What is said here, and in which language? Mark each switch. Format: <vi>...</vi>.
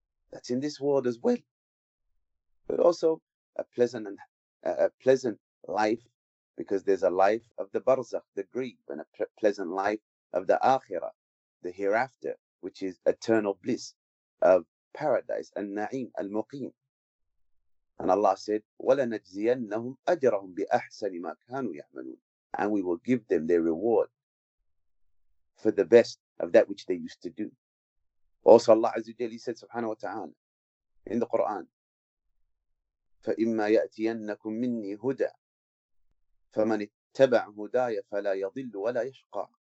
<en>That's in this world as well. But also a pleasant life, because there's a life of the barzakh, the grave, and a pleasant life of the akhirah, the hereafter, which is eternal bliss of paradise, al-na'im, al-muqim. And Allah said,</en> <ar>وَلَنَجْزِيَنَّهُمْ أَجْرَهُمْ بِأَحْسَنِ مَا كَانُوا يَعْمَلُونَ.</ar> <en>And we will give them their reward for the best of that which they used to do. Also Allah Azza wa Jalla said, subhanahu wa ta'ala, in the Quran,</en> <ar>فَإِمَّا يَأْتِيَنَّكُمْ مِنِّي هُدَى فَمَنِ اتَّبَعْ هُدَايَ فَلَا يَضِلُّ وَلَا يَشْقَى.</ar>